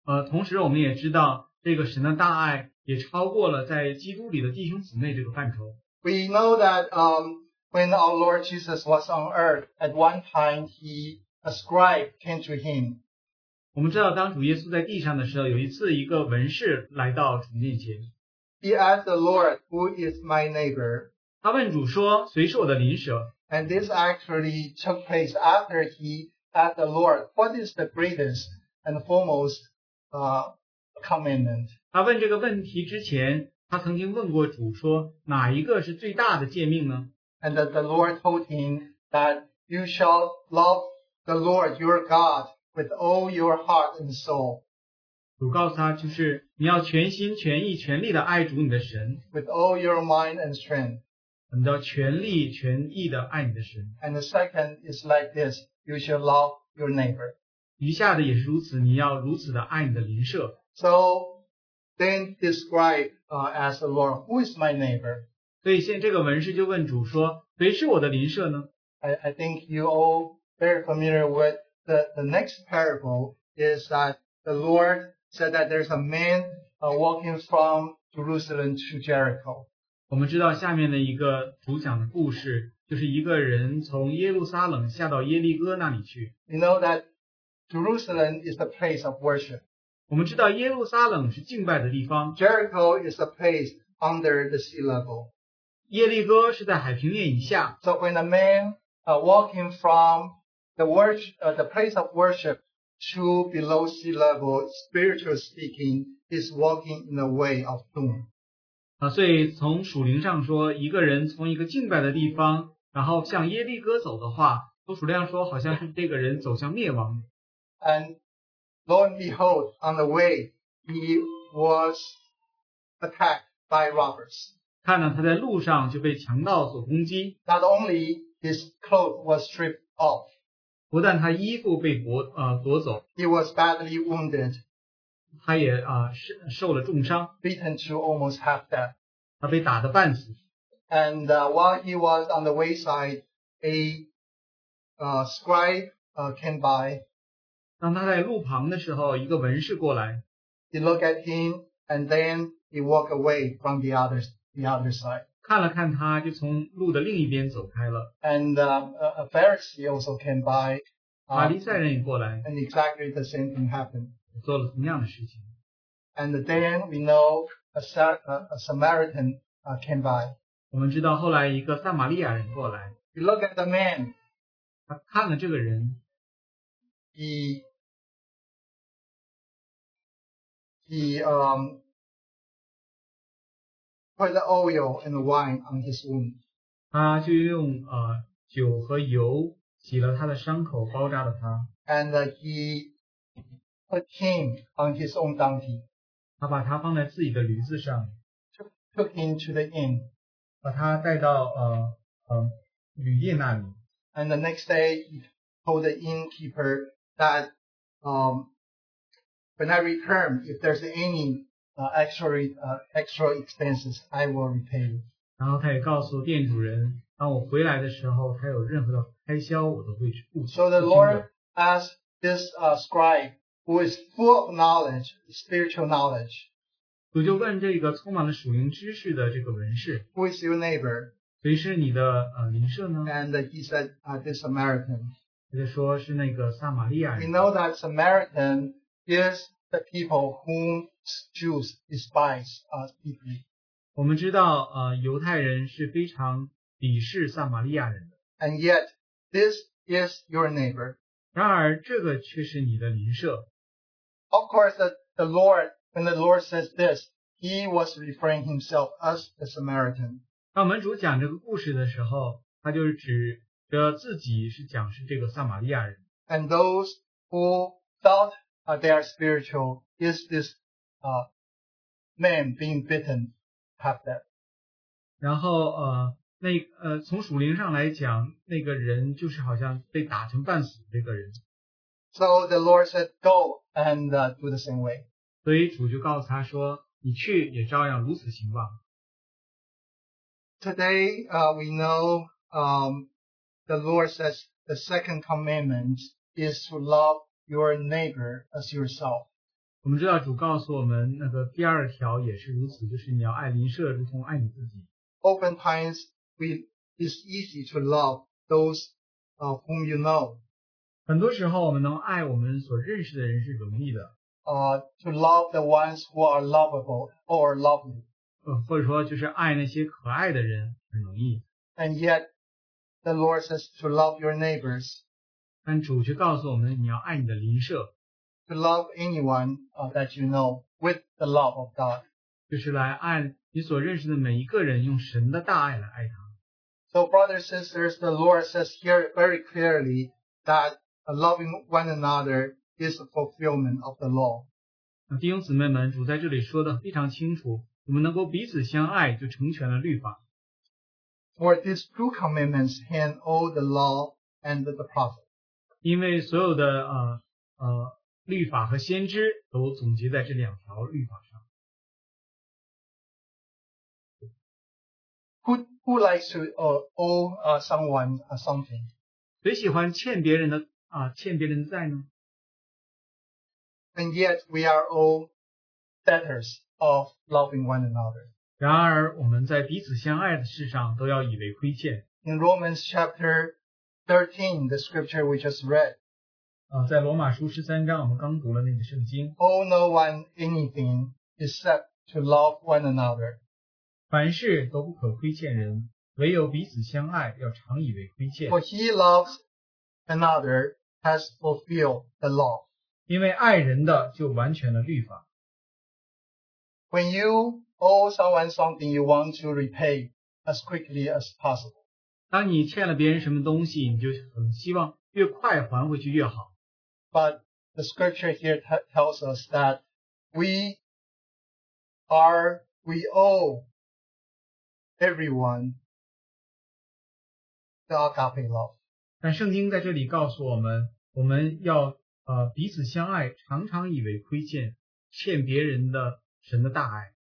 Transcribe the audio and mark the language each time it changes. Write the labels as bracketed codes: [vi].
[zh] 同时我们也知道这个神的大爱也超过了在基督里的弟兄姊妹这个范畴。 [en] We know that when our Lord Jesus was on earth, at one time he, a scribe came to him. [zh] 我们知道当主耶稣在地上的时候，有一次一个文士来到主面前。 [en] He asked the Lord, who is my neighbor? [zh] 他问主说，谁是我的邻舍？ [en] And this actually took place after he asked the Lord, what is the greatest and foremost commandment? [zh] 他问这个问题之前，他曾经问过主说，哪一个是最大的诫命呢？ [en] And the Lord told him that you shall love the Lord your God with all your heart and soul. [zh] 主告诉他，就是你要全心全意全力的爱主你的神。 [en] With all your mind and strength. [zh] 我们要全力全意的爱你的神。 [en] And the second is like this, you shall love your neighbor. [zh] 余下的也是如此，你要如此的爱你的邻舍。 [en] So then describe as the Lord, who is my neighbor? [zh] 所以现在这个文士就问主说，谁是我的邻舍呢？ [en] I think you all very familiar with the next parable is that the Lord said that there's a man walking from Jerusalem to Jericho. [zh] 我们知道下面的一个主讲的故事，就是一个人从耶路撒冷下到耶利哥那里去。 [en] You know that Jerusalem is the place of worship. [zh] 我们知道耶路撒冷是敬拜的地方。 [en] Jericho is a place under the sea level. [zh] 耶利哥是在海平面以下。 [en] So when a man walking from the worship, the place of worship to below sea level, spiritually speaking, is walking in the way of doom. [zh] 所以从属灵上说，一个人从一个敬拜的地方，然后向耶利哥走的话，从属灵说，好像是这个人走向灭亡。 [en] And lo and behold, on the way, he was attacked by robbers. [zh] 看到他在路上就被强盗所攻击。 [en] Not only his clothes were stripped off. [zh] 不但他衣服被夺走。 [en] He was badly wounded. [zh] 他也受了重伤。 [en] Beaten to almost half dead. [zh] 他被打得半死。 [en] And while he was on the wayside, a scribe came by. [zh] 当他在路旁的时候，一个文士过来。 [en] He looked at him, and then he walked away from the other side. [zh] 看了看他，就从路的另一边走开了。 [en] And a Pharisee also came by. [zh] 法利赛人也过来。 [en] And exactly the same thing happened. [zh] 做了同样的事情。 [en] And then we know a Samaritan came by. [zh] 我们知道后来一个撒玛利亚人过来。 [en] He looked at the man. [zh] 他看了这个人。 [en] He put the oil and the wine on his wound. [zh] 他就用酒和油洗了他的伤口，包扎了他。 [en] And he put him on his own donkey. [zh] 他把他放在自己的驴子上。 [en] Took him to the inn. [zh] 把他带到旅店那里。 [en] And the next day, he told the innkeeper that when I return, if there's any extra expenses, I will repay you. [zh] 然后他也告诉店主人，当我回来的时候，他有任何的开销，我都会付清的。 [en] So the Lord asked this scribe, who is full of knowledge, spiritual knowledge. [zh] 主就问这个充满了属灵知识的这个文士， [en] Who is your neighbor? [zh] 谁是你的邻舍呢？ [en] And he said, this American. [zh] 也就是说是那个撒玛利亚人。 [en] We know that Samaritan is the people whom Jews despise deeply. [zh] 我们知道犹太人是非常鄙视撒玛利亚人的。 [en] And yet, this is your neighbor. [zh] 然而这个却是你的邻舍。 [en] Of course, the Lord, when the Lord says this, he was referring himself as the Samaritan. [zh] 当门主讲这个故事的时候，他就是指自己是讲是这个撒玛利亚人。 [en] And those who thought they are spiritual is this man being bitten half dead. [zh] 然后从属灵上来讲，那个人就是好像被打成半死这个人。 [en] So the Lord said, go and do the same way. [zh] 所以主就告诉他说，你去也照样如此行吧。 [en] Today, we know, the Lord says the second commandment is to love your neighbor as yourself. [zh] 我们知道主告诉我们那个第二条也是如此，就是你要爱邻舍如同爱你自己。 [en] Oftentimes, it's easy to love those whom you know. [zh] 很多时候我们能爱我们所认识的人是容易的。 [en] To love the ones who are lovable or lovely. [zh] 或者说就是爱那些可爱的人很容易。 [en] And yet, the Lord says to love your neighbors. [zh] 但主却告诉我们你要爱你的邻舍。 [en] To love anyone that you know with the love of God. [zh] 就是来爱你所认识的每一个人，用神的大爱来爱他。 [en] So brothers and sisters, the Lord says here very clearly that loving one another is a fulfillment of the law. [zh] 弟兄姊妹们，主在这里说的非常清楚，我们能够彼此相爱就成全了律法。 [en] For these two commandments hang all the law and the prophet. [zh] 因为所有的律法和先知都总结在这两条律法上。 [en] Who likes to owe someone something? [zh] 谁喜欢欠别人的欠别人的债呢？ [en] And yet we are all debtors of loving one another. [zh] 然而我们在彼此相爱的事上都要以为亏欠。 [en] In Romans chapter 13, the scripture we just read. [zh] 在罗马书十三章我们刚读了那个圣经。 [en] Owe no one anything except to love one another. [zh] 凡事都不可亏欠人，唯有彼此相爱，要常以为亏欠。 [en] For he loves another has fulfilled the law. [zh] 因为爱人的就完全了律法。 [en] When you owe someone something, you want to repay as quickly as possible. [zh] 当你欠了别人什么东西，你就很希望越快还回去越好。 [en] But the scripture here tells us that we owe everyone the agape love. [zh] 但圣经在这里告诉我们，我们要彼此相爱，常常以为亏欠，欠别人的神的大爱。